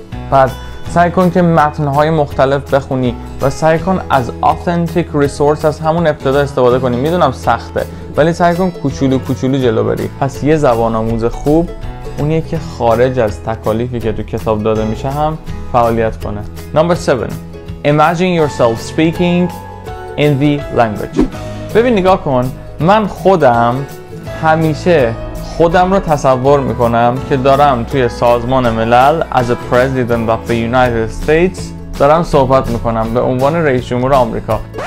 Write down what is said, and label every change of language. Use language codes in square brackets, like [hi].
[fa] بعد سعی کن که متن‌های مختلف بخونی و سعی کن از [en] authentic resource [fa] از همون ابتدا استفاده کنی. میدونم سخته، ولی سعی کن کوچولو کوچولو جلو بری. پس یه زبان آموز خوب اونیه که خارج از تکالیفی که تو کتاب داده میشه هم فعالیت کنه. [en] Number 7. Imagine yourself speaking in the language. [fa] ببین، نگاه کن، من خودم همیشه خودم رو تصور میکنم که دارم توی سازمان ملل [en] as a president of the United States [fa] دارم صحبت میکنم به عنوان رئیس جمهور آمریکا.